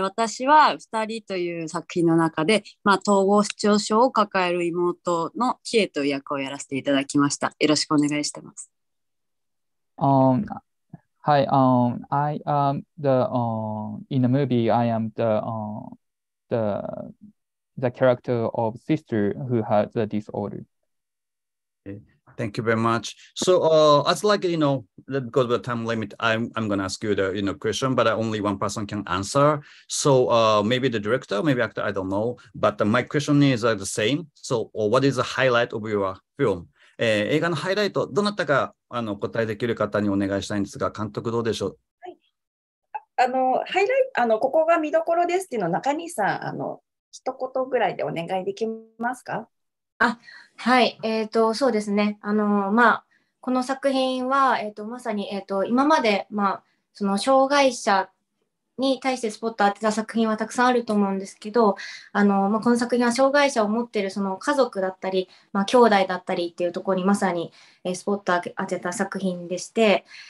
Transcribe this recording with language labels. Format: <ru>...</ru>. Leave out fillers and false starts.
<ja>私は2人という作品の中で、まあ、統合失調症を抱える妹のキエという役をやらせていただきました。よろしくお願いしてます。</ja> <en>Hi, I am the, in the movie, I am the character of sister who has a disorder. Thank you very much. So, as like, you know, because of the time limit, I'm going to ask you the, you know, question, but only one person can answer. So, maybe the director, maybe actor, I don't know, but my question is the same. So, what is the highlight of your film?</en> <ja>映画のハイライト、どなたかあの答えできる方にお願いしたいんですが、監督どうでしょう。はい、あのハイライト、あのここが見どころですっていうの、中西さん、あの一言ぐらいでお願いできますか。あ、はい、そうですね、あの、まあ、この作品は、まさに、今まで、まあ、その障害者に対してスポット当てた作品はたくさんあると思うんですけど、あの、まあ、この作品は障害者を持っているその家族だったり、まあ、兄弟だったりっていうところにまさにスポット当てた作品でして、</ja>